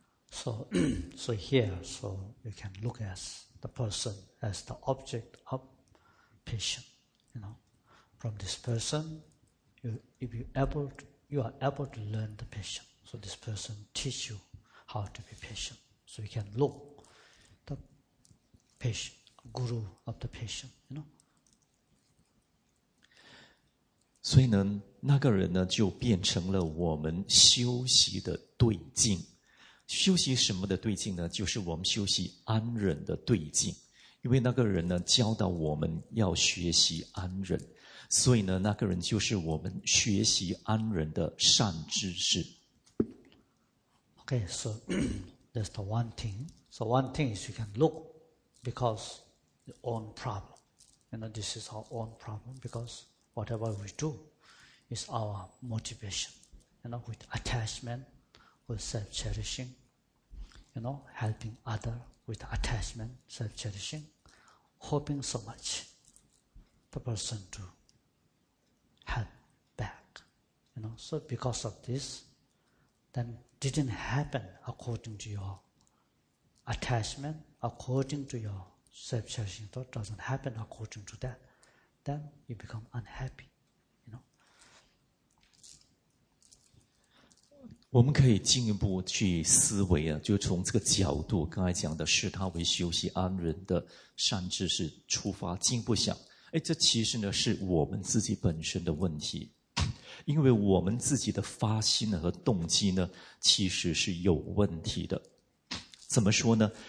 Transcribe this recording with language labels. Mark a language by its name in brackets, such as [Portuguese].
[English] So here, so you can look at the person as the object of patient, you know. From this person, you are able to learn the patient. So this person teach you how to be patient. So you can look the patient, guru of the patient, you know. [Chinese] 所以呢，那个人呢，就变成了我们修习的对境。修习什么的对境呢？就是我们修习安忍的对境。因为那个人呢，教导我们要学习安忍。所以呢，那个人就是我们学习安忍的善知识。 [English] Okay, so that's the one thing. So one thing is you can look because your own problem, You know, this is our own problem because whatever we do is our motivation, you know, with attachment, with self-cherishing, you know, helping other with attachment, self-cherishing, hoping so much the person to help back, you know. So because of this, then didn't happen according to your attachment, according to your self-cherishing thought, doesn't happen according to that, then you become unhappy, you know. [Chinese] 我们可以进一步去思维啊，就从这个角度，刚才讲的视他为修习安忍的善知识出发，进一步想，哎，这其实呢是我们自己本身的问题，因为我们自己的发心和动机呢，其实是有问题的。怎么说呢？